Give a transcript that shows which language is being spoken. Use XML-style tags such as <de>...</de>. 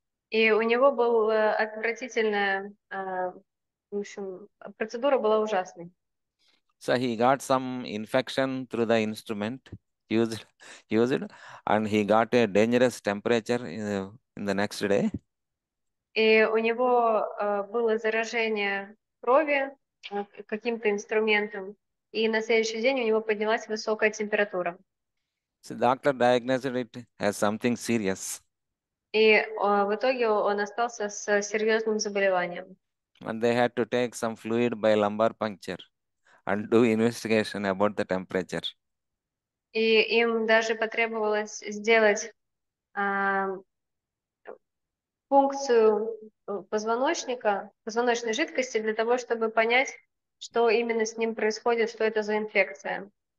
<ru>И у него был отвратительная, в общем, процедура была ужасной.</ru> <en>So he got some infection through the instrument used, and he got a dangerous temperature in the next day.</en> <ru>И у него было заражение крови каким-то инструментом, и на следующий день у него поднялась высокая температура.</ru> <en>So the doctor diagnosed it as something serious.</en> <ru>И в итоге он остался с серьезным заболеванием.</ru> <en>And they had to take some fluid by lumbar puncture and do investigation about the temperature.</en> <ru>И им даже потребовалось сделать пункцию позвоночника, позвоночной жидкости для того, чтобы понять, что именно с ним происходит, что это за инфекция.</ru>